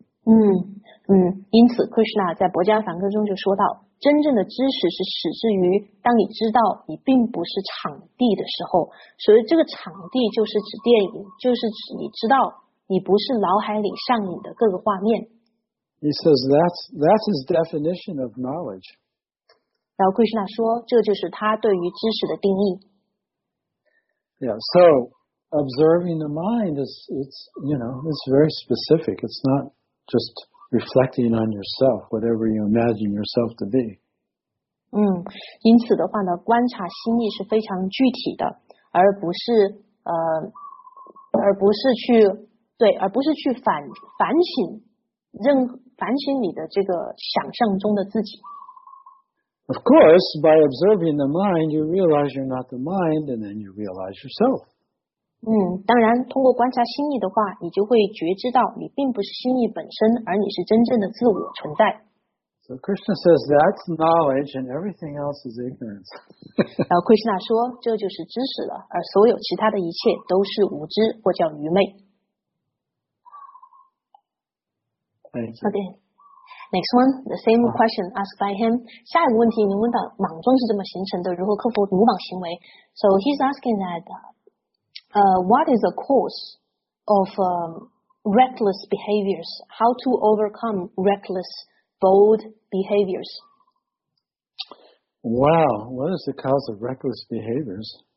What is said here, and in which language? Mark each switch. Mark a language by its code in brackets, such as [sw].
[zh] 因此 Krishna 在薄伽梵歌中就说到，真正的知识是始至于当你知道你并不是场地的时候，所以这个场地就是指电影，就是指你知道你不是脑海里上映的各个画面。 [en] He says that's his definition of knowledge. [zh] 然后 Krishna 说，这就是他对于知识的定义。 [en] Yeah, so observing the mind is, it's very specific. It's not just reflecting on yourself, whatever you imagine yourself to be. [zh] 因此的话呢，观察心意是非常具体的，而不是去反省你的这个想象中的自己。 [en] Of course, by observing the mind, you realize you're not the mind, and then you realize yourself. [zh] 当然，通过观察心意的话，你就会觉知到你并不是心意本身，而你是真正的自我存在。 [en] So Krishna says that's knowledge, and everything else is ignorance. [zh] 然后 Krishna 说，这就是知识了，而所有其他的一切都是无知或叫愚昧。 [en] Thank you. Okay. Next one, the same question asked by him. [zh] 下一个问题，您问到莽撞是怎么形成的，如何克服鲁莽行为。 [en] So he's asking that, what is the cause of reckless behaviors? How to overcome reckless, bold behaviors? Wow, what is the cause of reckless behaviors?